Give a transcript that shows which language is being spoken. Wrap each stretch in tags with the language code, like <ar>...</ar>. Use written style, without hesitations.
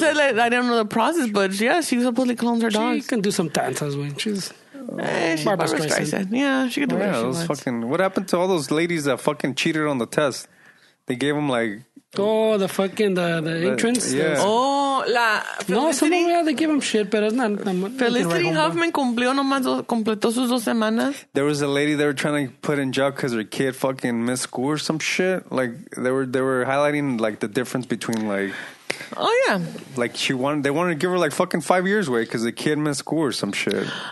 <en>No, I don't know the process, but yeah, she supposedly clones her dogs. She can do some tantas, man. She's Barbara Streisand. Yeah, she can do it. Yeah, those fucking. What happened to all those ladies that fucking cheated on the test? They gave them like. Oh, the fucking the entrance. Yeah. Oh, la Felicity, no, some of them, yeah, they give them shit, but it's not, not</en> <es>Felicity Huffman cumplió nomás completó sus dos semanas.</es> <en>There was a lady they were trying to put in jail because her kid fucking missed school or some shit. Like they were highlighting like the difference between like, oh yeah, like they wanted to give her like fucking 5 years away because the kid missed school or some shit.</en>